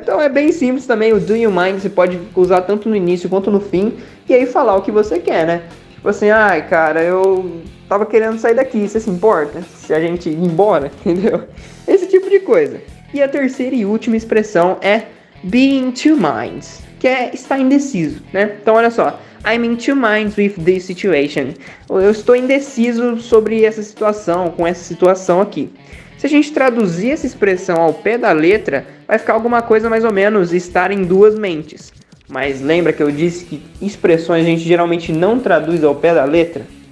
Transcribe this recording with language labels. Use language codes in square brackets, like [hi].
[pt] Então é bem simples também o do you mind, você pode usar tanto no início quanto no fim, e aí falar o que você quer, né? Tipo assim, ai cara, eu tava querendo sair daqui, você se importa? Se a gente ir embora, entendeu? Esse tipo de coisa. E a terceira e última expressão é being two minds, que é estar indeciso, né? Então olha só, [en] I'm in two minds with this situation. [pt] Eu estou indeciso sobre essa situação, com essa situação aqui. Se a gente traduzir essa expressão ao pé da letra, vai ficar alguma coisa mais ou menos estar em duas mentes. Mas lembra que eu disse que expressões a gente geralmente não traduz ao pé da letra?